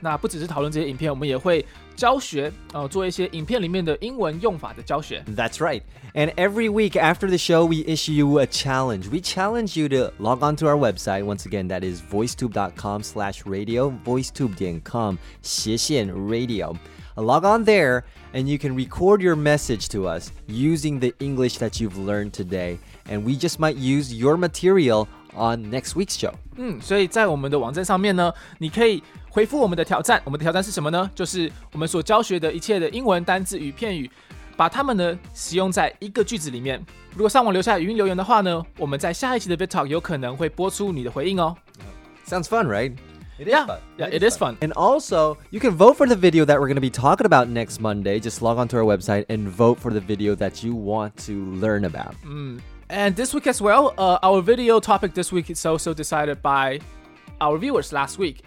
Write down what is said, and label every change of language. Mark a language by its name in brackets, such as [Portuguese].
[Chinese] 那不只是讨论这些影片，我们也会教学，做一些影片里面的英文用法的教学。 [English] That's right. And every week after the show, we issue you a challenge. We challenge you to log on to our website. Once again, that is voicetube.com/radio, voicetube.com/radio. Log on there, and you can record your message to us using the English that you've learned today. And we just might use your material on next week's show. [Chinese] 所以在我们的网站上面呢，你可以回复我们的挑战。我们的挑战是什么呢？就是我们所教学的一切的英文单字与片语，把它们呢使用在一个句子里面。如果上网留下语音留言的话呢，我们在下一期的 VidTalk 有可能会播出你的回应哦。 [English] Sounds fun, right? It is fun. And also, you can vote for the video that we're going to be talking about next Monday. Just log on to our website and vote for the video that you want to learn about. And this week as well, our video topic this week is also decided by our viewers last week.